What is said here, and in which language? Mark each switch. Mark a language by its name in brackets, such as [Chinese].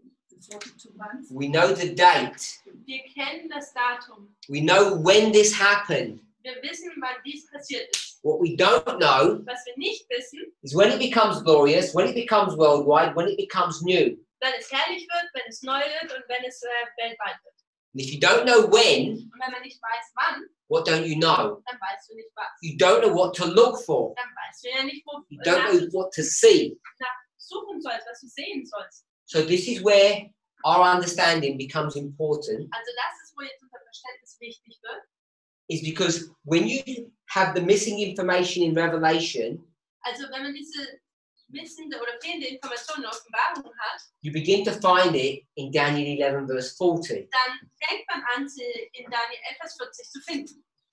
[English] The 42 months. We know the date. [German] Wir kennen das Datum. [English] We know when this happened. [German] Wir wissen, wann dies passiert ist. [English] What we don't know, [German] was wir nicht wissen, [English] is when it becomes glorious, when it becomes worldwide, when it becomes new. [German] Wenn es herrlich wird, wenn es neu wird und wenn es weltweit wird. [English] And if you don't know when, [German] und wenn man nicht weiß, wann, [English] what don't you know? [German] Dann weißt du nicht, was. [English] You don't know what to look for. [German] Dann weißt du ja nicht, wo, [English] you don't know what to see. [German] Suchen sollst, was du sehen sollst. [English] So this is where our understanding becomes important. [German] Also das ist, wo jetzt unser Verständnis wichtig wird. [English] Is because when you have the missing information in Revelation, [German] also wenn man diese missende oder fehlende Information in Offenbarung hat, [English] you begin to find it in Daniel 11, verse 40. [German] Dann fängt man an, sie in Daniel 11, verse 40 zu finden.